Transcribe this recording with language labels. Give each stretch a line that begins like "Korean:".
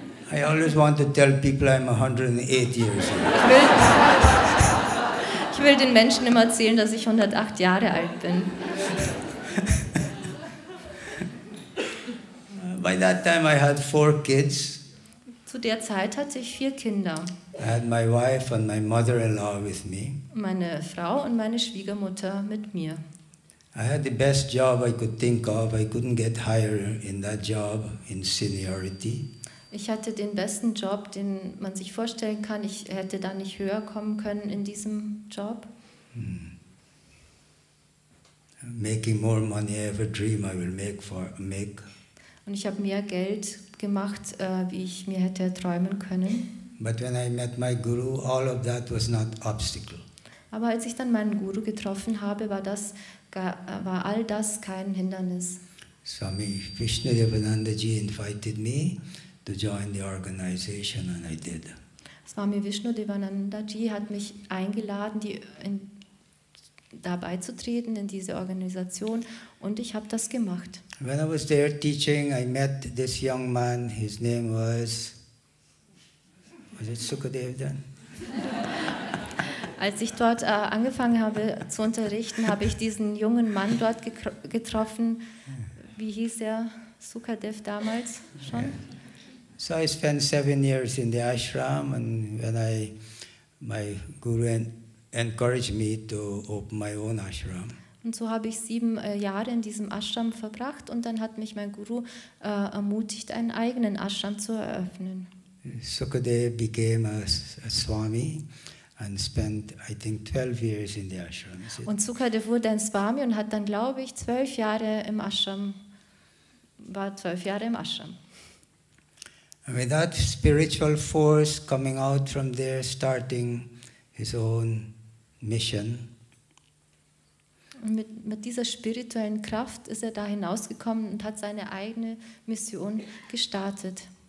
English: I always want to tell people I'm 108 years old.
German: Ich will den Menschen immer erzählen, dass ich 108 Jahre alt bin.
English: By that time I had 4 kids.
German: Zu der Zeit hatte ich 4 Kinder.
English: I had my wife and my mother-in-law with me.
German: Meine Frau und meine Schwiegermutter mit mir.
English: I had the best job I could think of. I couldn't get higher in that job in seniority.
German: Ich hatte den besten Job, den man sich vorstellen kann. Ich hätte da nicht höher kommen können in diesem Job.
English: Making more money ever dream I will make for make.
German: Und ich habe mehr Geld gemacht, wie ich mir hätte träumen können.
English: But when I met my guru, all of that was not obstacle.
German: Aber als ich dann meinen Guru getroffen habe, war all das kein Hindernis.
English: Swami Vishnudevanandaji invited me to join the organization, and I did.
German: Swami Vishnudevanandaji hat mich eingeladen, dabei zu treten in diese Organisation, und ich habe das gemacht.
English: When I was there teaching, I met this young man. His name was it Sukadev then?
German: Als ich dort angefangen habe zu unterrichten, habe ich diesen jungen Mann dort getroffen. Wie hieß er? Sukadev damals schon? Yeah.
English: So I spent 7 years in the ashram, and when my guru encouraged me to open my own ashram.
German: Und so habe ich 7 Jahre in diesem Ashram verbracht, und dann hat mich mein Guru ermutigt, einen eigenen Ashram zu eröffnen.
English: Sukadev became a Swami and spent, I think, 12 years in the ashram.
German: Und Sukadev wurde ein Swami und hat dann, glaube ich, 12 Jahre im Ashram, war 12 Jahre im Ashram.
English: With that spiritual force coming out from there, starting his own mission.
German: Mit dieser spirituellen Kraft ist da hinausgekommen und hat seine eigene Mission gestartet.